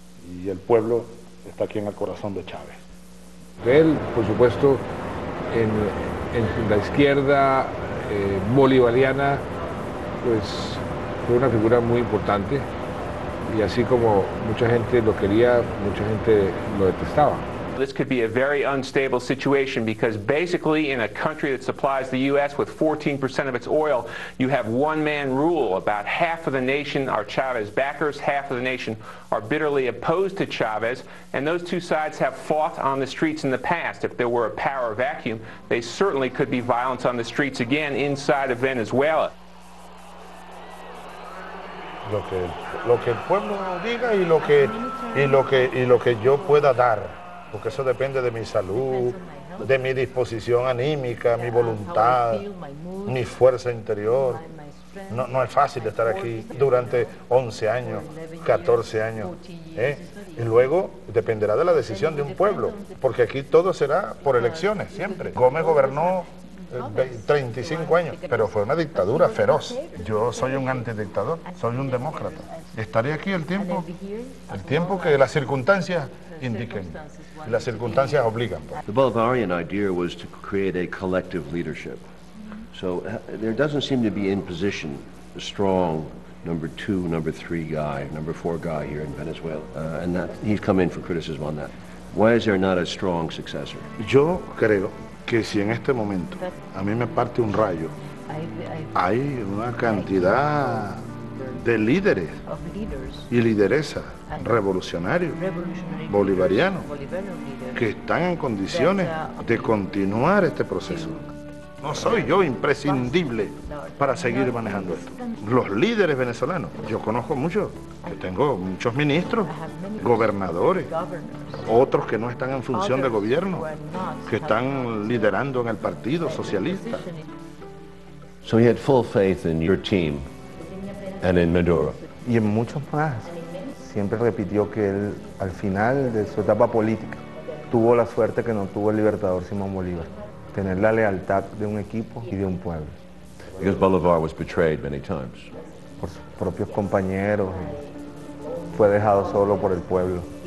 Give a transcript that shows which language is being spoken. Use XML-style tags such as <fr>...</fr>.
<es>Y el pueblo está aquí en el corazón de Chávez. De él, por supuesto, en la izquierda bolivariana, pues fue una figura muy importante, y así como mucha gente lo quería, mucha gente lo detestaba.</es> <en>This could be a very unstable situation because basically in a country that supplies the U.S. with 14% of its oil, you have one-man rule. About half of the nation are Chavez backers, half of the nation are bitterly opposed to Chavez, and those two sides have fought on the streets in the past. If there were a power vacuum, they certainly could be violent on the streets again inside of Venezuela.</en> <es>lo que el pueblo diga y lo que yo pueda dar, porque eso depende de mi salud, de mi disposición anímica, mi voluntad, mi fuerza interior. No es fácil estar aquí durante 11 años, 14 años. Y luego dependerá de la decisión de un pueblo, porque aquí todo será por elecciones, siempre. Gómez gobernó 35 años, pero fue una dictadura feroz. Yo soy un antidictador, soy un demócrata. Estaré aquí el tiempo que las circunstancias indiquen. Las circunstancias obligan.</es> <en>The Bolivarian idea was to create a collective leadership. So there doesn't seem to be in position a strong number two, number three guy, number four guy here in Venezuela. And that he's come in for criticism on that. Why is there not a strong successor?</en> <es>Yo creo que si en este momento a mí me parte un rayo, hay una cantidad de líderes y lideresas revolucionarios, bolivarianos, que están en condiciones de continuar este proceso. No soy yo imprescindible para seguir manejando esto. Los líderes venezolanos, yo conozco muchos, yo tengo muchos ministros, gobernadores, otros que no están en función de gobierno, que están liderando en el Partido Socialista.</es> <en>So he had full faith in your team and in Maduro.</en> <es>Y en muchos más. Siempre repitió que él, al final de su etapa política, tuvo la suerte que no tuvo el libertador Simón Bolívar. Tener la lealtad de un equipo y de un pueblo.</es> <en>Because Bolivar was betrayed many times.</en> <es>Por sus propios compañeros, fue dejado solo por el pueblo.</es>